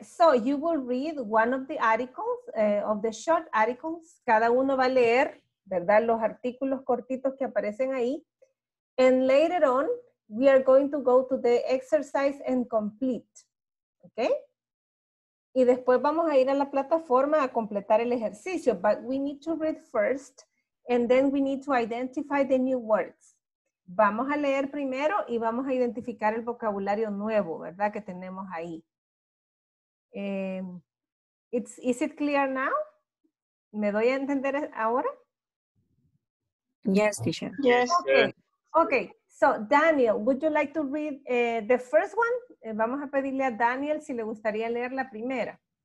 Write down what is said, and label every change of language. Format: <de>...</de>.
<en>So you will read one of the articles, of the short articles.</en> <es>Cada uno va a leer, ¿verdad? Los artículos cortitos que aparecen ahí.</es> <en>And later on, we are going to go to the exercise and complete. Okay?</en> <es>Y después vamos a ir a la plataforma a completar el ejercicio.</es> <en>But we need to read first, and then we need to identify the new words.</en> <es>Vamos a leer primero y vamos a identificar el vocabulario nuevo, ¿verdad? Que tenemos ahí.</es> <en>Is it clear now?</en> <es>¿Me doy a entender ahora?</es> <en>Yes, teacher. Yes. Okay, so Daniel, would you like to read the first one?</en> <es>Vamos a pedirle a Daniel si le gustaría leer la primera.</es>